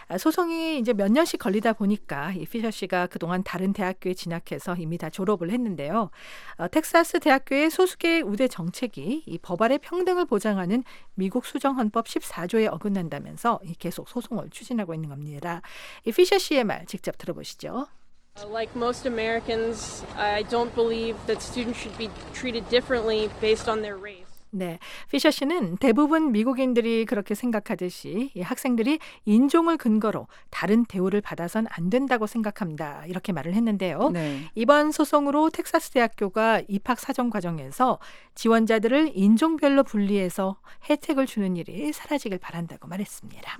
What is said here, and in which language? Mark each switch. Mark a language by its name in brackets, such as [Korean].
[Korean] 소송이 이제 몇 년씩 걸리다 보니까 이 피셔 씨가 그동안 다른 대학교에 진학해서 이미 다 졸업을 했는데요. 텍사스 대학교의 소수계 우대 정책이 이 법안의 평등을 보장하는 미국 수정헌법 14조에 어긋난다면서 계속 소송을 추진하고 있는 겁니다. 이 피셔 씨의 말 직접 들어보시죠. [English] Like most Americans, I don't believe that students should be treated differently based on their race. [Korean] 네, 피셔 씨는 대부분 미국인들이 그렇게 생각하듯이 학생들이 인종을 근거로 다른 대우를 받아선 안 된다고 생각합니다. 이렇게 말을 했는데요. 네. 이번 소송으로 텍사스 대학교가 입학 사정 과정에서 지원자들을 인종별로 분리해서 혜택을 주는 일이 사라지길 바란다고 말했습니다.